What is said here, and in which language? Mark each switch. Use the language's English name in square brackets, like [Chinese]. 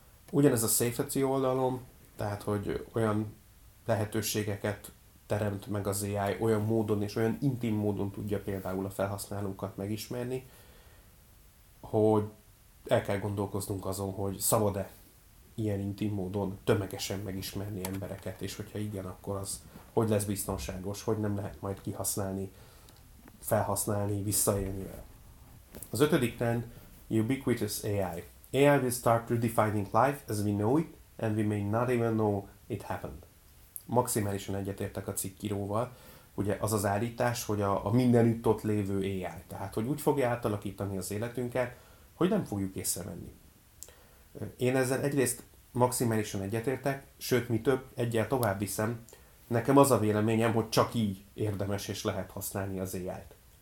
[Hungarian] Ugyanez a safety oldalom, tehát, hogy olyan lehetőségeket teremt meg az AI, olyan módon és olyan intim módon tudja például a felhasználókat megismerni, hogy el kell gondolkoznunk azon, hogy szabad-e ilyen intim módon tömegesen megismerni embereket, és hogyha igen, akkor az hogy lesz biztonságos, hogy nem lehet majd kihasználni, felhasználni, visszaélni vele. Az ötödik trend, ubiquitous AI. [English] AI will start redefining life as we know it, and we may not even know it happened. [Hungarian] Maximálisan egyetértek a cikkíróval, ugye az az állítás, hogy a mindenütt ott lévő AI, tehát hogy úgy fogja átalakítani az életünket, hogy nem fogjuk észrevenni. Én ezzel egyrészt maximálisan egyetértek, sőt mi több, egyel tovább viszem, nekem az a véleményem, hogy csak így érdemes és lehet használni az AI-t.